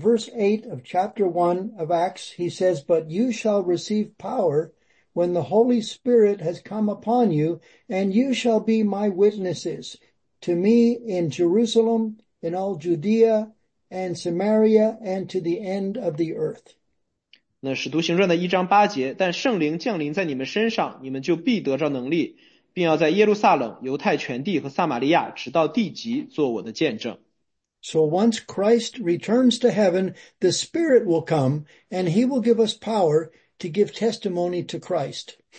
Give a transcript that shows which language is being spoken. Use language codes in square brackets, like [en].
[en] in verse 8 of chapter 1 of Acts, he says, but you shall receive power when the Holy Spirit has come upon you, and you shall be my witnesses to me in Jerusalem, in all Judea, and Samaria, and to the end of the earth. [zh] 那使徒行传的一章八节，但圣灵降临在你们身上，你们就必得着能力，并要在耶路撒冷、犹太全地和撒玛利亚，直到地极，做我的见证。 [en] So once Christ returns to heaven, the Spirit will come, and he will give us power to give testimony to Christ.